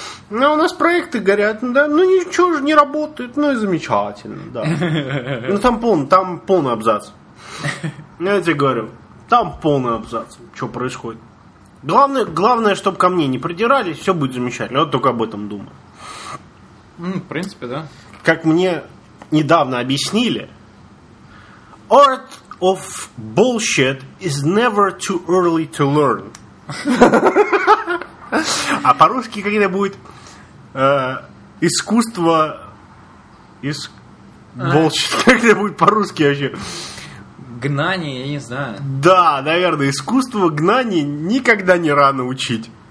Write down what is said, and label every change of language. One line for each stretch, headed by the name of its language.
Russian: А у нас проекты горят, да, ну ничего же не работает, ну и замечательно, да. Ну там полный абзац. Я тебе говорю, там полный абзац, что происходит. Главное, чтобы ко мне не придирались, все будет замечательно. Вот только об этом думаю. Ну, в принципе, да. Как мне недавно объяснили,
English: art of bullshit is never too early to learn.
Russian: А по-русски как это будет? Искусство из... Bullshit. Как это будет по-русски вообще? Гнание, я не знаю. Да, наверное, искусство гнания никогда не рано учить.